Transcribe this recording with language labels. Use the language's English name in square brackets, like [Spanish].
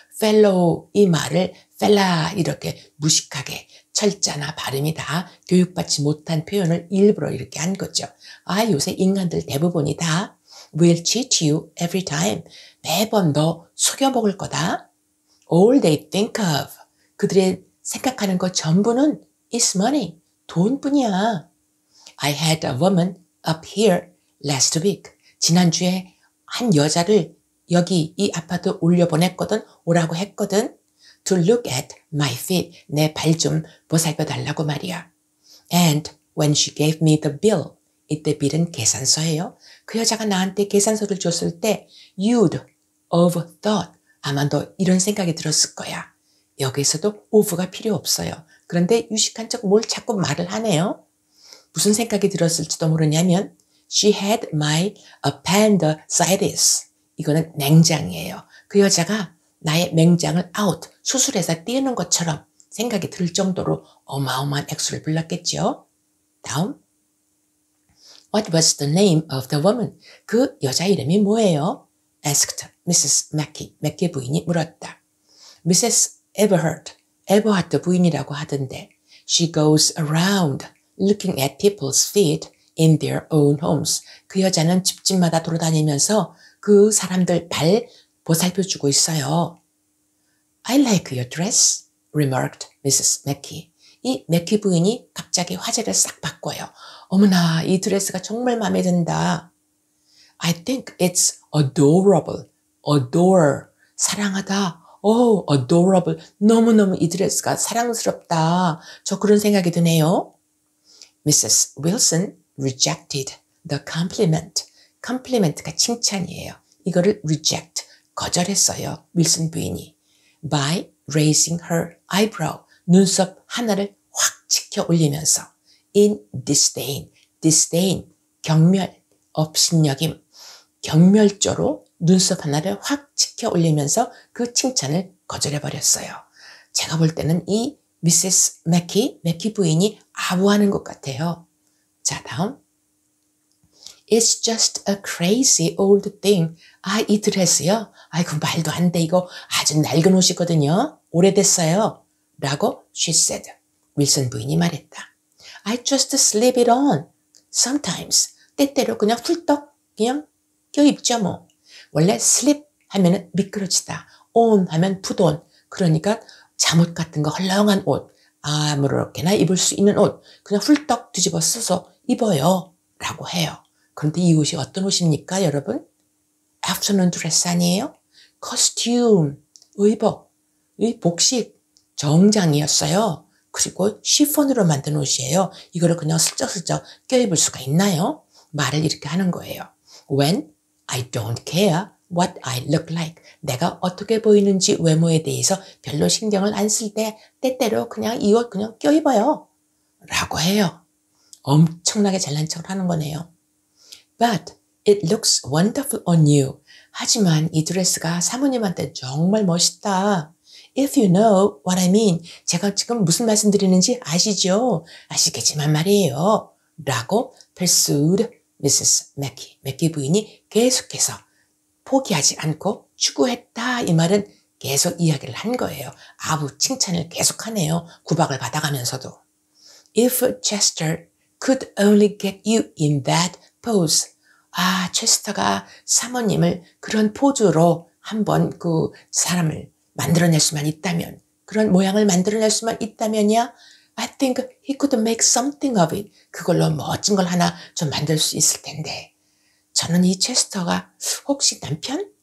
[Korean] fellow 이 말을 fella 이렇게 무식하게 철자나 발음이 다 교육받지 못한 표현을 일부러 이렇게 한 거죠. 아 요새 인간들 대부분이 다 will cheat you every time. 매번 너 속여먹을 거다. All they think of. 그들의 생각하는 것 전부는 is money. 돈뿐이야. [English] I had a woman up here last week. [Korean] 지난주에 한 여자를 여기 이 아파트 올려보냈거든 오라고 했거든 to look at my feet 내 발 좀 보살펴달라고 말이야 and when she gave me the bill 이때 bill은 계산서예요 그 여자가 나한테 계산서를 줬을 때 you'd of thought 아마 너 이런 생각이 들었을 거야 여기에서도 of가 필요 없어요 그런데 유식한 척 뭘 자꾸 말을 하네요 무슨 생각이 들었을지도 모르냐면 she had my appendicitis 이거는 맹장이에요. 그 여자가 나의 맹장을 아웃, 수술해서 띄우는 것처럼 생각이 들 정도로 어마어마한 액수를 불렀겠죠. 다음. [English] What was the name of the woman? [Korean] 그 여자 이름이 뭐예요? Asked Mrs. McKee. McKee 부인이 물었다. Mrs. Everhart. Everhart 부인이라고 하던데. [English] She goes around looking at people's feet in their own homes. [Korean] 그 여자는 집집마다 돌아다니면서 그 사람들 발 보살펴주고 있어요. [English] I like your dress, remarked Mrs. McKee. [Korean] 이 McKee 부인이 갑자기 화제를 싹 바꿔요. 어머나, 이 드레스가 정말 마음에 든다. [English] I think it's adorable. Adore. 사랑하다. Oh, adorable. [Korean] 너무너무 이 드레스가 사랑스럽다. 저 그런 생각이 드네요. Mrs. [English] Wilson rejected the compliment. [Korean] 컴플리멘트가 칭찬이에요. 이거를 reject, 거절했어요. 윌슨 부인이. By raising her eyebrow, 눈썹 하나를 확 치켜 올리면서. [English] In disdain, disdain, 경멸, 업신여김. [Korean] 경멸조로 눈썹 하나를 확 치켜 올리면서 그 칭찬을 거절해버렸어요. 제가 볼 때는 이 미세스 맥키, 맥키 부인이 아부하는 것 같아요. 자, 다음. [English] It's just a crazy old thing. [Korean] 아, 이 드레스요? 아이고, 말도 안 돼. 이거 아주 낡은 옷이거든요. 오래됐어요. 라고 she said. 윌슨 부인이 말했다. [English] I just slip it on. Sometimes. [Korean] 때때로 그냥 훌떡 그냥 껴입죠, 뭐. 원래 slip 하면 미끄러지다. [English] on 하면 put on. [Korean] 그러니까 잠옷 같은 거 헐렁한 옷. 아무렇게나 입을 수 있는 옷. 그냥 훌떡 뒤집어 써서 입어요. 라고 해요. 그런데 이 옷이 어떤 옷입니까, 여러분? [English] Afternoon dress 아니에요? [Korean] Costume, 의복, 복식, 정장이었어요. 그리고 시폰으로 만든 옷이에요. 이거를 그냥 슬쩍슬쩍 껴입을 수가 있나요? 말을 이렇게 하는 거예요. [English] When I don't care what I look like. [Korean] 내가 어떻게 보이는지 외모에 대해서 별로 신경을 안 쓸 때 때때로 그냥 이 옷 그냥 껴입어요. 라고 해요. 엄청나게 잘난 척을 하는 거네요. [English] But it looks wonderful on you. [Korean] 하지만 이 드레스가 사모님한테 정말 멋있다. [English] If you know what I mean. [Korean] 제가 지금 무슨 말씀 드리는지 아시죠? 아시겠지만 말이에요. 라고 pursued Mrs. McKee 부인이 계속해서 포기하지 않고 추구했다 이 말은 계속 이야기를 한 거예요. 아부 칭찬을 계속하네요. 구박을 받아가면서도. [English] If Chester could only get you in that pose. [Korean] 아, 체스터가 사모님을 그런 포즈로 한번 그 사람을 만들어낼 수만 있다면, 그런 모양을 만들어낼 수만 있다면야, I think he could make something of it. 그걸로 멋진 걸 하나 좀 만들 수 있을 텐데. 저는 이 체스터가 혹시 남편?